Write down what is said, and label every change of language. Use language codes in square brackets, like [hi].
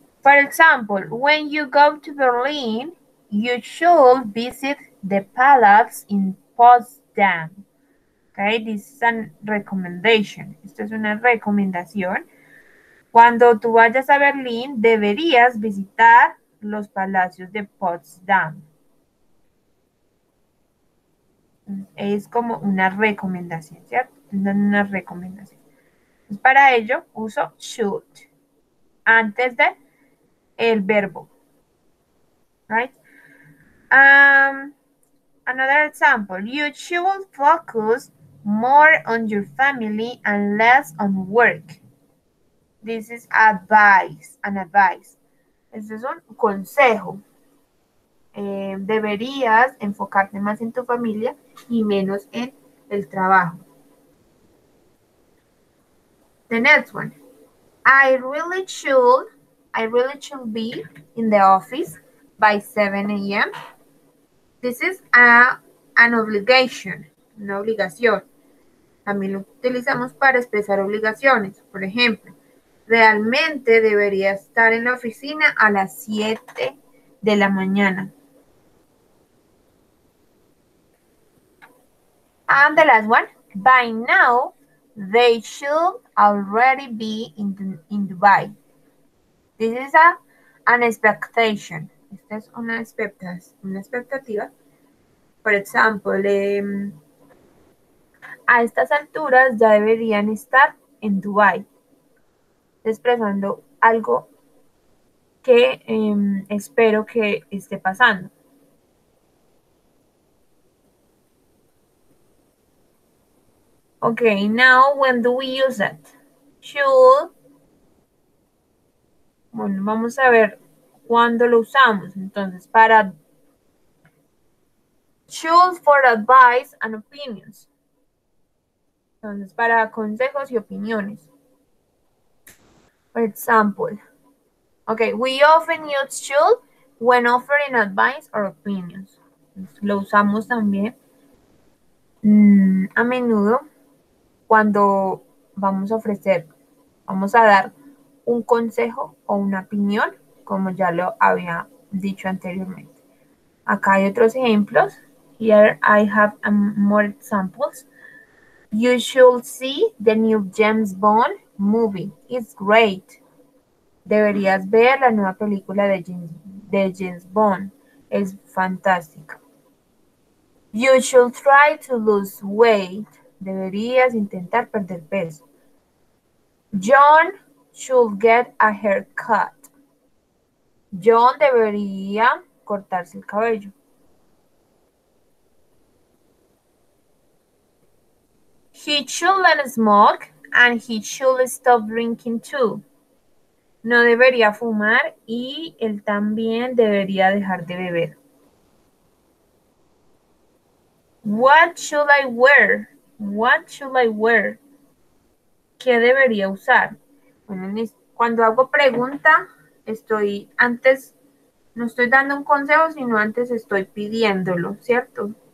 [en] For example, when you go to Berlin, you should visit the palace in Potsdam. Okay, this is a recommendation. [es] Esto es una recomendación. Cuando tú vayas a Berlín, deberías visitar los palacios de Potsdam. Es como una recomendación, ¿cierto? Una recomendación. Pues para ello, uso should antes de el verbo, right? [en] Another example, you should focus more on your family and less on work. This is advice, an advice. [es] Este es un consejo. Deberías enfocarte más en tu familia y menos en el trabajo. [en] The next one, I really should be in the office by 7 a.m. This is an obligation, [es] una obligación. También lo utilizamos para expresar obligaciones. Por ejemplo, realmente debería estar en la oficina a las 7 de la mañana. [en] And the last one, by now, they should already be in Dubai. This is an expectation. [es] Esta es una expectativa. [en] For example, [es] a estas alturas ya deberían estar en Dubai. Expresando algo que espero que esté pasando. [en] Okay, now when do we use it? Should. [es] Bueno, vamos a ver cuándo lo usamos. Entonces, para [en] choose for advice and opinions. [es] Entonces, para consejos y opiniones. [en] For example. Okay, we often use should when offering advice or opinions. [es] Entonces, lo usamos también a menudo cuando vamos a ofrecer, vamos a dar un consejo o una opinión, como ya lo había dicho anteriormente. Acá hay otros ejemplos. [en] Here I have more examples. You should see the new James Bond movie. It's great. [es] Deberías ver la nueva película de James Bond. Es fantástica. [en] You should try to lose weight. [es] Deberías intentar perder peso. [en] John should get a haircut. [es] John debería cortarse el cabello. [en] He shouldn't smoke and he should stop drinking too. [es] No debería fumar y él también debería dejar de beber. [en] What should I wear? What should I wear? [es] ¿Qué debería usar? Cuando hago pregunta, estoy antes, no estoy dando un consejo, sino antes estoy pidiéndolo, ¿cierto?